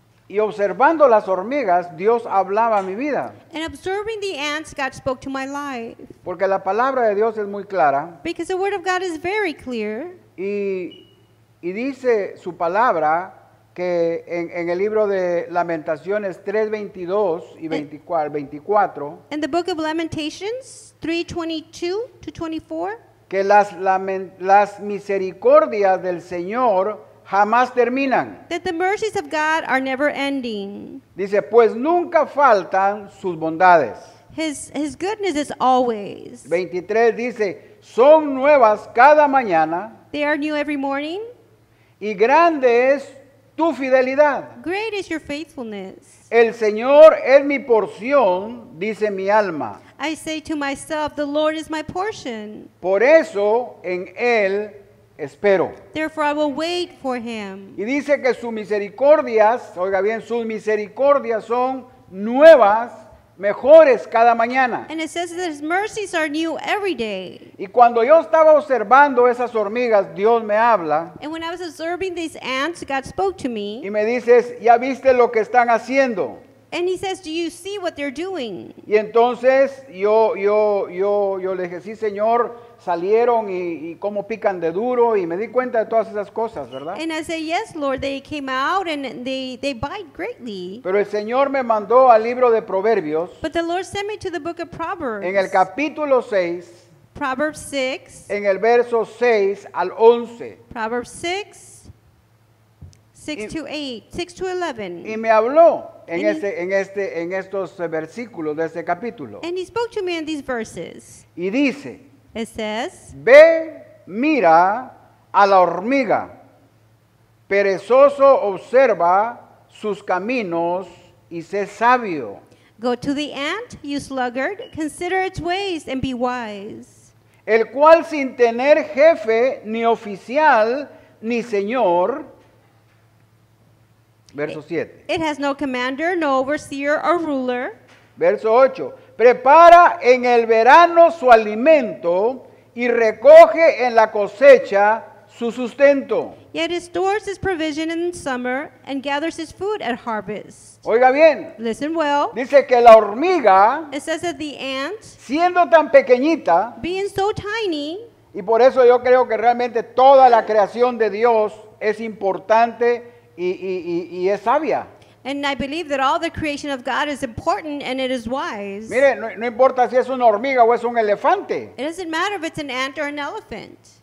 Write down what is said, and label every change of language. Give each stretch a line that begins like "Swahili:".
Spanish: Y observando las hormigas, Dios hablaba a mi vida.
English: And observing the ants, God spoke to my life.
Spanish: Porque la palabra de Dios es muy clara.
English: Because the word of God is very clear.
Spanish: Y dice su palabra que en el libro de Lamentaciones 3:22 y 24.
English: In the book of Lamentations 3:22 to 24.
Spanish: Que las misericordias del Señor jamás terminan.
English: That the mercies of God are never ending.
Spanish: Dice, pues nunca faltan sus bondades.
English: His goodness is always.
Spanish: 23 dice, son nuevas cada mañana.
English: They are new every morning.
Spanish: Y grande es tu fidelidad.
English: Great is your faithfulness.
Spanish: El Señor es mi porción, dice mi alma.
English: I say to myself, the Lord is my portion.
Spanish: Por eso en él espero.
English: Therefore I will wait for him.
Spanish: Y dice que sus misericordias, oiga bien, sus misericordias son nuevas, mejores cada mañana.
English: And it says that his mercies are new every day.
Spanish: Y cuando yo estaba observando esas hormigas, Dios me habla.
English: And when I was observing these ants, God spoke to me.
Spanish: Y me dice, ¿ya viste lo que están haciendo?
English: And he says, do you see what they're doing?
Spanish: Y entonces yo le dije, sí, Señor, salieron y cómo pican de duro, y me di cuenta de todas esas cosas, ¿verdad?
English: And I said, yes, Lord, they came out and they bite greatly.
Spanish: Pero el Señor me mandó al libro de Proverbios.
English: But the Lord sent me to the book of Proverbs.
Spanish: En el capítulo 6.
English: Proverbs 6.
Spanish: En el verso 6 al 11.
English: Proverbs 6. 6 to 11.
Spanish: Y me habló en estos versículos de este capítulo.
English: And he spoke to me in these verses.
Spanish: Y dice,
English: it says,
Spanish: ve, mira a la hormiga, perezoso observa sus caminos y sé sabio.
English: Go to the ant, you sluggard, consider its ways and be wise.
Spanish: El cual sin tener jefe, ni oficial, ni señor. Verso 7.
English: It has no commander, no overseer or ruler.
Spanish: Verso 8. Prepara en el verano su alimento y recoge en la cosecha su sustento.
English: Yet he stores his provision in summer and gathers his food at harvest.
Spanish: Oiga bien.
English: Listen well.
Spanish: Dice que la hormiga,
English: it says that the ant,
Spanish: siendo tan pequeñita,
English: being so tiny,
Spanish: y por eso yo creo que realmente toda la creación de Dios es importante y es sabia.
English: And I believe that all the creation of God is important and it is wise.
Spanish: Mire, no importa si es una hormiga o es un elefante.
English: It doesn't matter if it's an ant or an elephant.